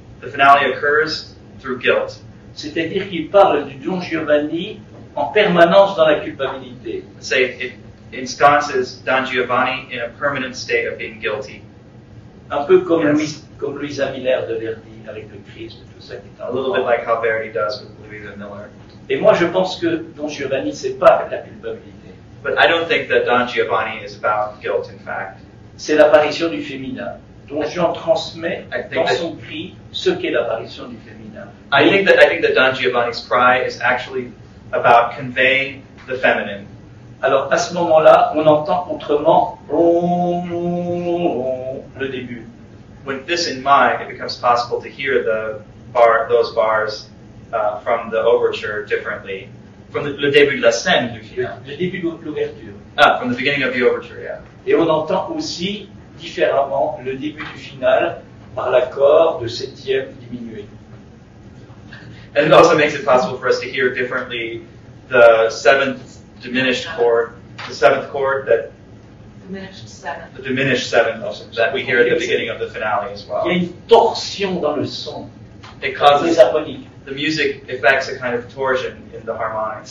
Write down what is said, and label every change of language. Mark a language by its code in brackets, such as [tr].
[en] The finale occurs through guilt. [fr] C'est-à-dire qu'il parle du Don Giovanni en permanence dans la culpabilité. [en] Say it ensconces Don Giovanni in a permanent state of being guilty. [fr] Un peu comme yes. comme Luisa Miller de Verdi avec le Christ. [en] A little bit like how Verdi does with Louisa Miller. [fr] Et moi, je pense que Don Giovanni, c'est pas la culpabilité. [en] But I don't think that Don Giovanni is about guilt, in fact. [fr] C'est l'apparition du féminin. Don Juan transmet dans son cri ce qu'est l'apparition du féminin. [en] I think that Don Giovanni's cry is actually about conveying the feminine. [fr] Alors, à ce moment-là, on entend autrement rom, rom, rom, le début. [en] With this in mind, it becomes possible to hear those bars from the overture differently. From [fr] le début de la scène, du final. Le début de l'ouverture. [en] Ah, from the beginning of the overture, yeah. [fr] Et on entend aussi différemment le début du final par l'accord de septième diminué. [en] And it also makes it possible for us to hear differently the seventh diminished chord, the seventh chord that diminished seventh. The diminished seventh that we hear at the beginning of the finale as well. [fr] Il y a une torsion dans le son. [en] It causes the music effects a kind of torsion in the harmonics.